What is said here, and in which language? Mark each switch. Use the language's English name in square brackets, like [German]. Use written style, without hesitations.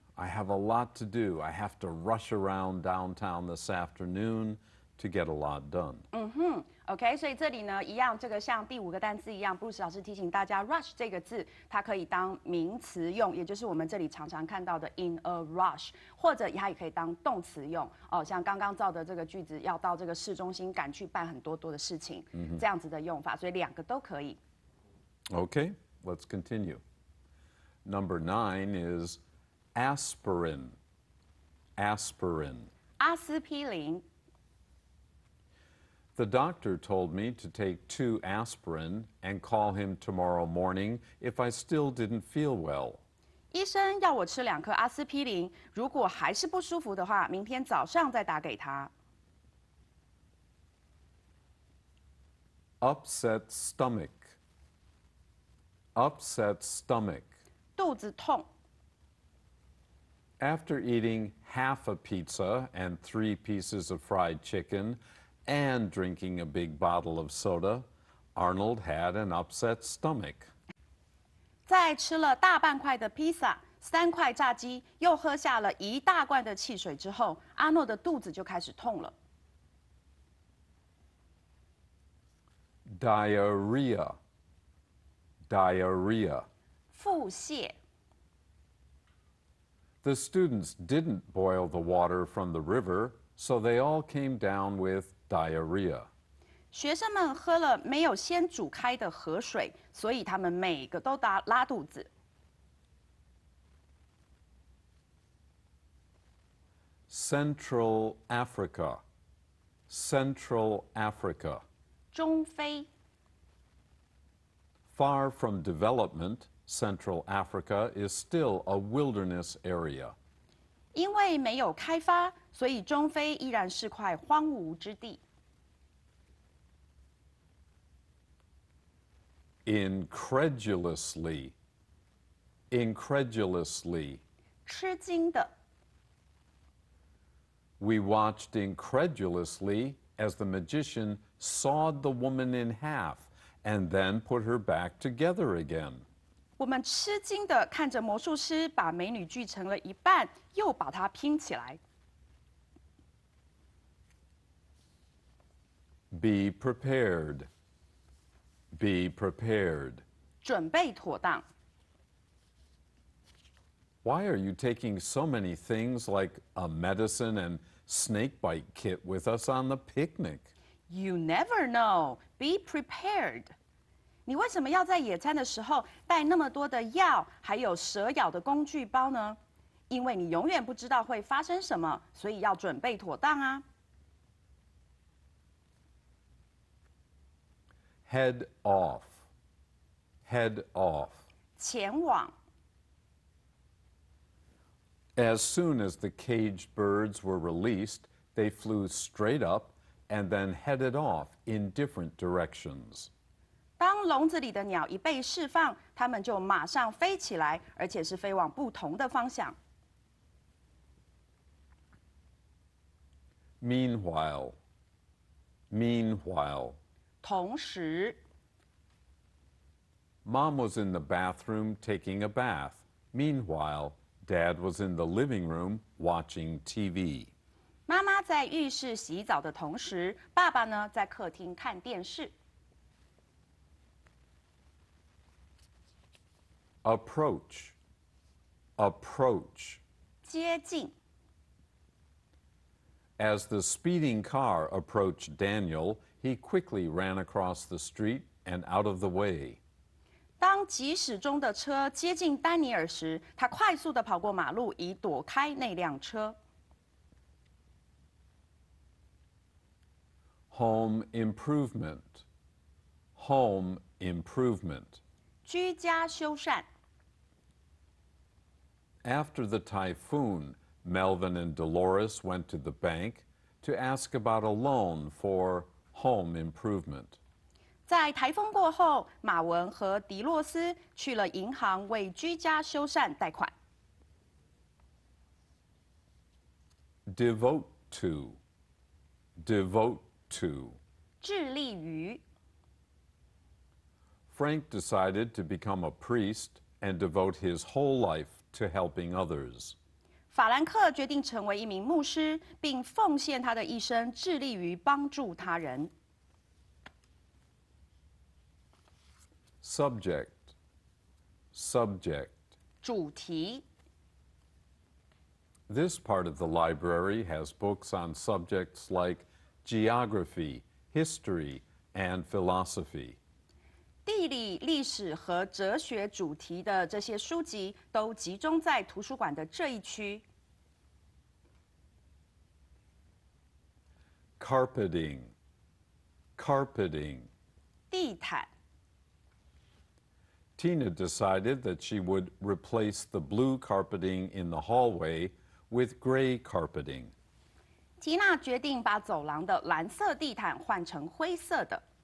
[English] I have a lot to do. I have to rush around downtown this afternoon. To get a lot done. [Chinese] OK, 所以这里呢，一样，这个像第五个单词一样 ，Bruce 老师提醒大家 ，rush 这个字，它可以当名词用，也就是我们这里常常看到的 [English] in a rush， [Chinese] 或者它也可以当动词用。哦，像刚刚造的这个句子，要到这个市中心赶去办很多多的事情，这样子的用法，所以两个都可以。 [English] OK, let's continue. Number nine is aspirin. Aspirin. [Chinese] 阿司匹林。 [English] The doctor told me to take 2 aspirin and call him tomorrow morning if I still didn't feel well. [Chinese] 医生要我吃2颗阿司匹林，如果还是不舒服的话，明天早上再打给他。 [English] Upset stomach. Upset stomach. [Chinese] 肚子痛。 [English] After eating half a pizza and 3 pieces of fried chicken, and drinking a big bottle of soda, Arnold had an upset stomach. [Chinese] 在吃了大半块的披萨、三块炸鸡，又喝下了一大罐的汽水之后，阿诺的肚子就开始痛了。 [English] Diarrhea. Diarrhea. [Chinese] 腹泻。 [English] The students didn't boil the water from the river, so they all came down with diarrhea. [Chinese] 学生们喝了没有先煮开的河水，所以他们每个都拉肚子。 [English] Central Africa. Central Africa. [Chinese] 中非。 [English] Far from development, Central Africa is still a wilderness area. [Chinese] 因为没有开发，所以中非依然是块荒芜之地。 [English] Incredulously, incredulously. [Chinese] 吃惊的。 [English] We watched incredulously as the magician sawed the woman in half. And then put her back together again. [Chinese] 我们吃惊地看着魔术师把美女锯成了一半，又把她拼起来。 [English] Be prepared. Be prepared. [Chinese] 准备妥当。 [English] Why are you taking so many things like a medicine and snake bite kit with us on the picnic? You never know. Be prepared. [Chinese] 你为什么要在野餐的时候带那么多的药还有蛇咬的工具包呢？因为你永远不知道会发生什么，所以要准备妥当啊。 [English] Head off. Head off. [Chinese] 前往。 [English] As soon as the caged birds were released, they flew straight up and then headed off in different directions. [Chinese] 当笼子里的鸟一被释放，它们就马上飞起来，而且是飞往不同的方向。 [English] Meanwhile, meanwhile. [Chinese] 同时。 [English] Mom was in the bathroom taking a bath. Meanwhile, Dad was in the living room watching TV. [Chinese] 妈妈在浴室洗澡的同时，爸爸呢，在客厅看电视。 [English] Approach, approach. [Chinese] 接近。 [English] As the speeding car approached Daniel, he quickly ran across the street and out of the way. [Chinese] 当疾驶中的车接近丹尼尔时，他快速地跑过马路，以躲开那辆车。 [English] Home improvement, home improvement. [Chinese] 居家修缮。 [English] After the typhoon, Melvin and Dolores went to the bank to ask about a loan for home improvement. [Chinese] 在台风过后，马文和迪洛斯去了银行为居家修缮贷款。 [English] Devote to, devote to. [Chinese] 致力于。 [English] Frank decided to become a priest and devote his whole life. To helping others. [Chinese] 法兰克决定成为一名牧师，并奉献他的一生，致力于帮助他人。 [English] Subject, subject. [Chinese] 主题。 [English] This part of the library has books on subjects like geography, history, and philosophy. [Chinese] 地理、历史和哲学主题的这些书籍都集中在图书馆的这一区。 [English] Carpeting. Carpeting. [Chinese] 地毯 [English] Tina decided that she would replace the blue carpeting in the hallway with gray carpeting. [Chinese] Tina 决定把走廊的蓝色地毯换成灰色的。